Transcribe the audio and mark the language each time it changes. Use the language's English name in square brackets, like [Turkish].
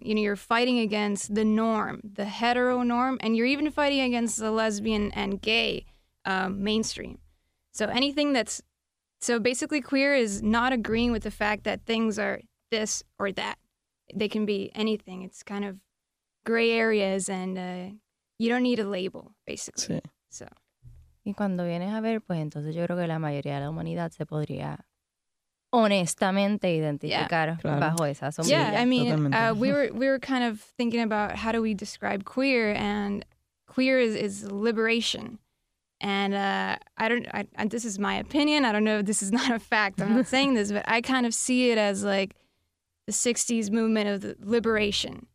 [English] You know, you're fighting against the norm, the hetero norm, and you're even fighting against the lesbian and gay mainstream. So basically queer is not agreeing with the fact that things are this or that. They can be anything. It's kind of gray areas and you don't need a label, basically. Sí. So. [Spanish] Y cuando vienes a ver, pues entonces yo creo que la mayoría de la humanidad se podría honestamente identificar bajo esa sombra. [English] Yeah, I mean, we were kind of thinking about how do we describe queer, and queer is liberation. And this is my opinion. I don't know if this is not a fact. I'm not saying this, but I kind of see it as like the 60s movement of the liberation.